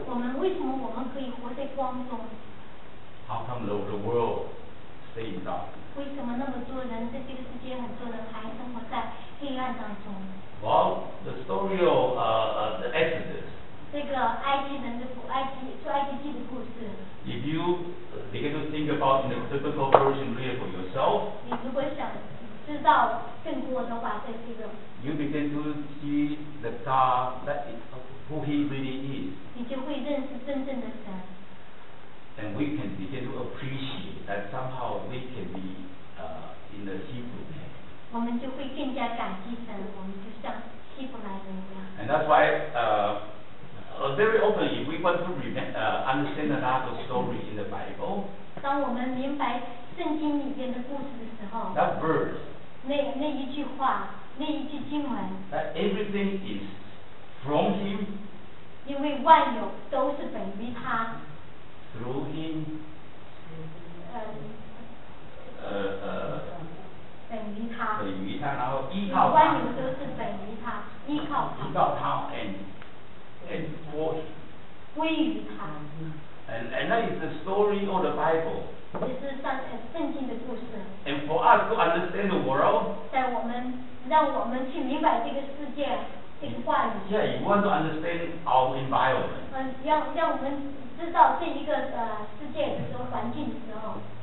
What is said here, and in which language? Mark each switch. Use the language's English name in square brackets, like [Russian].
[Chinese] 我们为什么我们可以活在光中？ [English] How come the world stay in dark? [Chinese] 为什么那么多人在这个世界很多人还生活在黑暗当中？ [English] Well, the story of the Exodus. [Chinese] 这个埃及人的故埃及出埃及记的故事。 [English] If you begin to think about the biblical version here for yourself, [Chinese] 你如果想知道更多的话，在这个 [English] you begin to see the God that is who He really is. [Chinese] 你就会认识真正的神。 [English] And we can begin to appreciate that somehow we can be in the Hebrew name. [Chinese] 我们就会更加感激神，我们就像希伯来人一样。 [English] And that's why. Very often, if we want to understand another story in the Bible, [Chinese] 当我们明白圣经里边的故事的时候 [English] ，that verse, [Chinese] 那一句话，那一句经文 [English] ，that everything is from Him, [Chinese] 因为万有都是本于他 [English] ，through Him, [Chinese] 本于他，然后依靠他，万有都是本于他，依靠他，依靠他 [English] and for him. [Chinese] 归于他。 [English] And that is the story of the Bible. [Chinese] 这是上圣经的故事。 [English] And for us to understand the world. [Chinese] 在我们让我们去明白这个世界这个话语。 [English] Yeah, you want to understand our environment. [Chinese] 让我们知道这一个世界的时候环境的时候。